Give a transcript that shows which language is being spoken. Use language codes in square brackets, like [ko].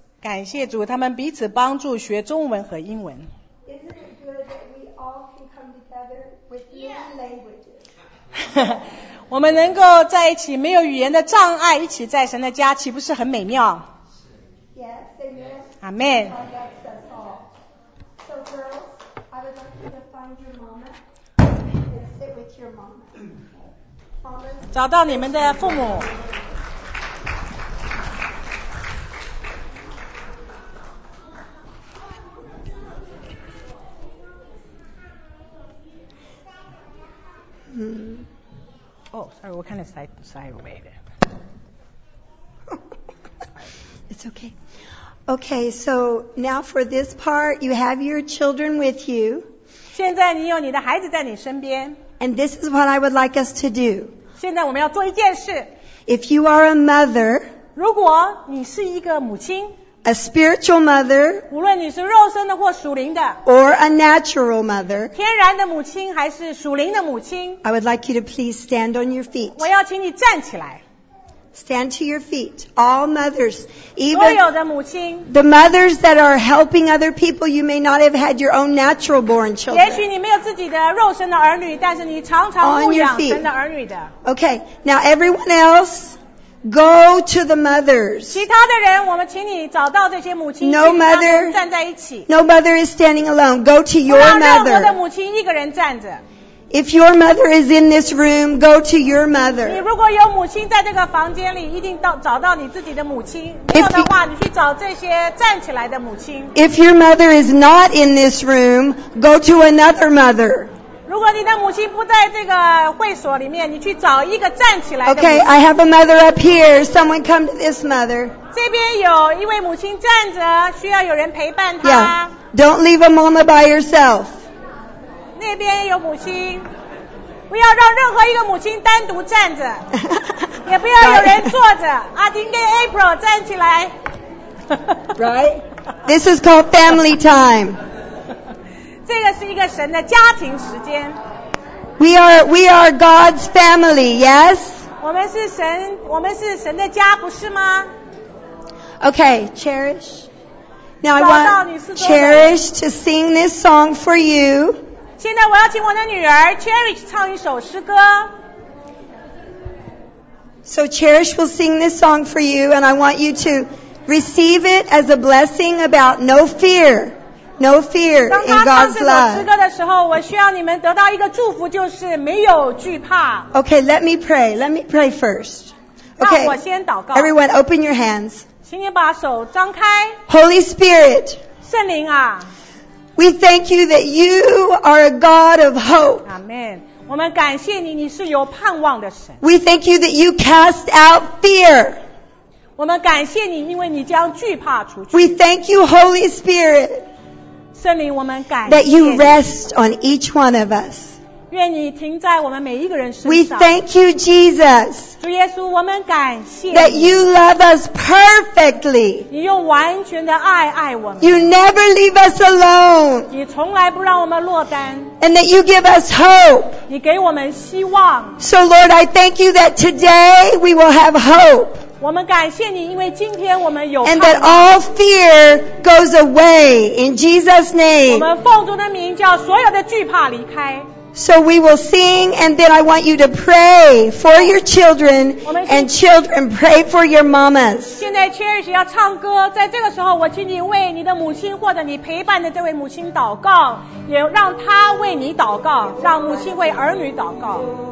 [zh] 感谢主，他们彼此帮助学中文和英文。 [en] Isn't it good that we all can come together with many languages? [zh] 我们能够在一起，没有语言的障碍，一起在神的家，岂不是很美妙？ [en] Yes, amen. Amen. God bless us all. So girls, I would like you to find your mama and sit with your mama. [zh] 找到你们的父母。 [en] Sorry, what kind of side way there? It's okay. Okay, so now for this part, you have your children with you. [zh] 现在你有你的孩子在你身边。 [en] And this is what I would like us to do. [zh] 现在我们要做一件事。 [en] If you are a mother, [zh] 如果你是一个母亲。 [en] A spiritual mother, [zh] 无论你是肉身的或属灵的。 [en] Or a natural mother, [zh] 天然的母亲还是属灵的母亲。 [en] I would like you to please stand on your feet. [zh] 我要请你站起来。 [en] Stand to your feet, all mothers, even [zh] 所有的母亲。 [en] The mothers that are helping other people, you may not have had your own natural born children. [zh] 也许你没有自己的肉身的儿女，但是你常常牧养神的儿女的。 [en] Okay, now everyone else,Go to the mothers. [zh] 其他的人，我们请你找到这些母亲。 [en] No mother, [zh] 站在一起。 [en] No mother is standing alone. Go to your mother. [zh] 不要让我的母亲一个人站着。 [en] If your mother is in this room, go to your mother. [zh] 你如果有母亲在这个房间里，一定到找到你自己的母亲。没有的话，你去找这些站起来的母亲。 [en] If your mother is not in this room, go to another mother. [zh] 如果你的母亲不在这个会所里面，你去找一个站起来的母亲。 [en] Okay, I have a mother up here. Someone come to this mother. [zh] 这边有一位母亲站着，需要有人陪伴她。 [en] Yeah, don't leave a mama by yourself. [zh] 那边有母亲，不要让任何一个母亲单独站着，也不要有人坐着。阿丁跟 April 站起来。 [en] Right? This is called family time. [zh] 这个是一个神的家庭时间。 [en] We are God's family, yes? [zh] 我们是神的家，不是吗？ [en] Okay, Cherish. Now I want Cherish to sing this song for you. [zh] 现在我要请我的女儿 Cherish 唱一首诗歌。 [en] So Cherish will sing this song for you, and I want you to receive it as a blessing about no fear. No fear in God's love. [zh] 当他唱这首诗歌的时候，我需要你们得到一个祝福，就是没有惧怕。 [en] Okay, let me pray. Let me pray first. [zh] Okay. 让我先祷告。 [en] Everyone, open your hands. [zh] 请你把手张开。 [en] Holy Spirit. [zh] 圣灵啊。 [en] We thank you that you are a God of hope. Amen. [zh] 我们感谢你，你是有盼望的神。 [en] We thank you that you cast out fear. [zh] 我们感谢你，因为你将惧怕除去。 [en] We thank you, Holy Spirit. [zh] 圣灵，我们感谢你。 [en] That you rest on each one of us. [zh] 愿你停在我们每一个人身上。 [en] We thank you, Jesus. [zh] 主耶稣，我们感谢你。 [en] That you love us perfectly. [zh] 你用完全的爱爱我们。 [en] You never leave us alone. [zh] 你从来不让我们落单。 [en] And that you give us hope. [zh] 你给我们希望。 [en] So Lord, I thank you that today we will have hope. [zh] 我们感谢你，因为今天我们有盼望。 [en] And that all fear goes away in Jesus' name. [zh] 我们奉主的名叫所有的惧怕离开。 [en] So we will sing, and then I want you to pray for your children, and children pray for your mamas. [zh] 现在 Cherish 要唱歌，在这个时候，我请你为你的母亲或者你陪伴的这位母亲祷告，也让她为你祷告，让母亲为儿女祷告。